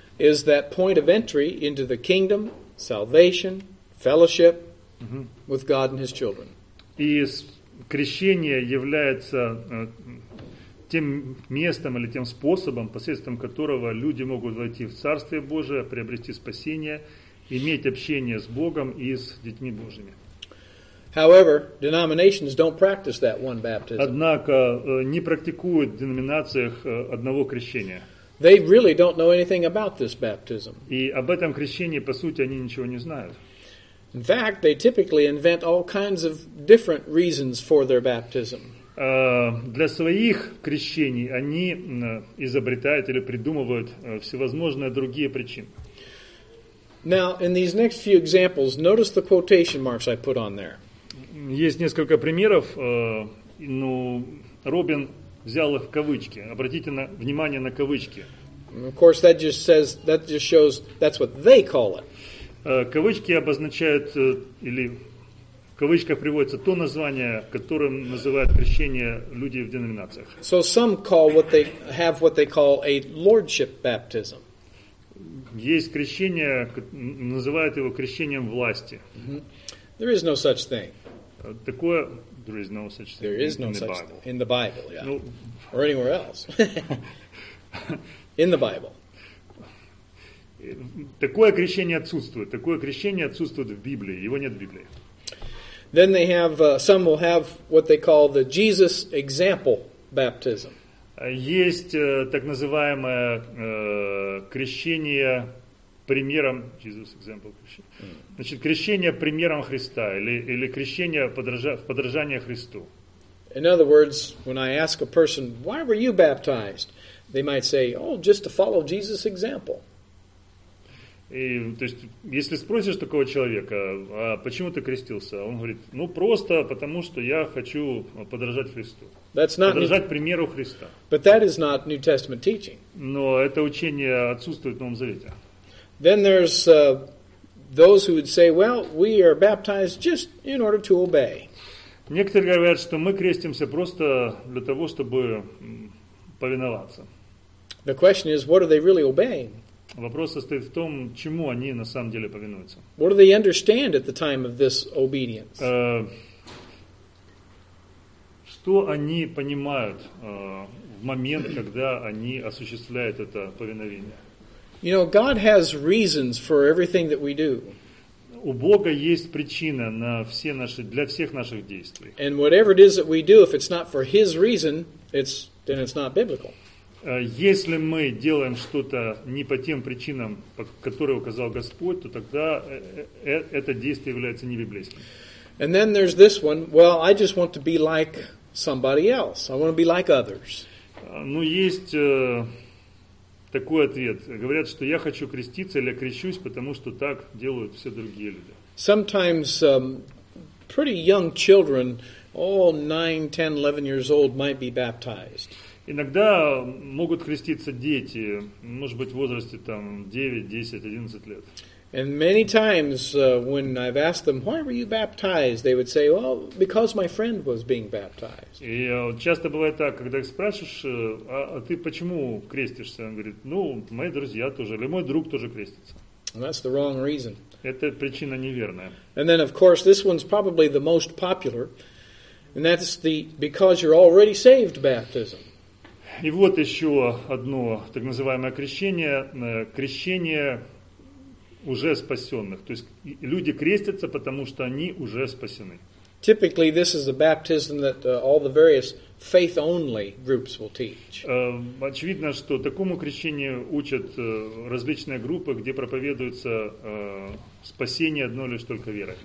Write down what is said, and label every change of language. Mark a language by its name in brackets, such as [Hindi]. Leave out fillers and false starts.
[English] is that point of entry into the kingdom, salvation, fellowship with God and His children. [Russian] И крещение является тем местом или тем способом, посредством которого люди могут войти в Царствие Божие, приобрести спасение, иметь общение с Богом и с детьми Божьими. [English] However, denominations don't practice that one baptism. [Russian] Однако не практикуют в деноминациях одного крещения. [English] They really don't know anything about this baptism. [Russian] И об этом крещении, по сути, они ничего не знают. [English] In fact, they typically invent all kinds of different reasons for their baptism. [Russian] Для своих крещений они изобретают или придумывают всевозможные другие причины. [English] Now, in these next few examples, notice the quotation marks I put on there. [Russian] Есть несколько примеров, но Робин взял их в кавычки. Обратите внимание на кавычки. [English] Of course, that just says, that just shows that's what they call it. [Russian] Кавычки обозначают, или в кавычках приводится то название, которым называют крещение людей в деноминациях. [English] So some call what they have what they call a lordship baptism. [Russian] Есть крещение, называют его крещением власти. [English] There is no such thing. Такое, there is no such thing, there is in, no the such Bible. In the Bible, yeah, or anywhere else, in the Bible. [Russian] Такое крещение отсутствует в Библии, его нет в Библии. [English] Then they have, some will have what they call the Jesus example baptism. [Russian] Есть так называемое крещение примером, [English] Jesus example [Russian] крещение. Значит, крещение примером Христа или крещение в подражание Христу. [English] In other words, when I ask a person, why were you baptized? They might say, oh, just to follow Jesus' example. [Russian] И, то есть, если спросишь такого человека, а почему ты крестился? Он говорит, ну, просто потому, что я хочу подражать Христу. [English] That's not [Russian] подражать примеру Христа. [English] But that is not New Testament teaching. [Russian] Но это учение отсутствует в Новом Завете. [English] Then there's... Those who would say, well, we are baptized just in order to obey. [Russian] Некоторые говорят, что мы крестимся просто для того, чтобы повиноваться. [English] The question is, what are they really obeying? [Russian] Вопрос состоит в том, чему они на самом деле повинуются. [English] What do they understand at the time of this obedience? [Russian] Что они понимают в момент, когда они осуществляют это повиновение? [English] You know, God has reasons for everything that we do. [Russian] У Бога есть причина на все наши, для всех наших действий. [English] And whatever it is that we do, if it's not for His reason, then it's not biblical. [Russian] Если мы делаем что-то не по тем причинам, по которые указал Господь, то тогда это действие является не библейским. [English] And then there's this one. Well, I just want to be like somebody else. I want to be like others. [Russian] Ну, есть... такой ответ. Говорят, что я хочу креститься или крещусь, потому что так делают все другие люди. [English] Sometimes pretty young children, all 9, 10, 11 years old, might be baptized. [Russian] Иногда могут креститься дети, может быть, в возрасте там 9, 10, 11 лет. [English] And many times when I've asked them, why were you baptized? They would say, well, because my friend was being baptized. [Russian] И часто бывает так, когда их спрашиваешь, а ты почему крестишься? Он говорит, ну, мои друзья тоже, или мой друг тоже крестится. [English] And that's the wrong reason. [Russian] Это причина неверная. [English] And then, of course, this one's probably the most popular. And that's the because you're already saved baptism. [Russian] И вот еще одно так называемое крещение. Крещение... уже спасенных. То есть люди крестятся, потому что они уже спасены. [English] Typically, this is the baptism that all the various faith-only groups will teach. [Russian] Очевидно, что такому крещению учат различные группы, где проповедуется спасение одно лишь только верой.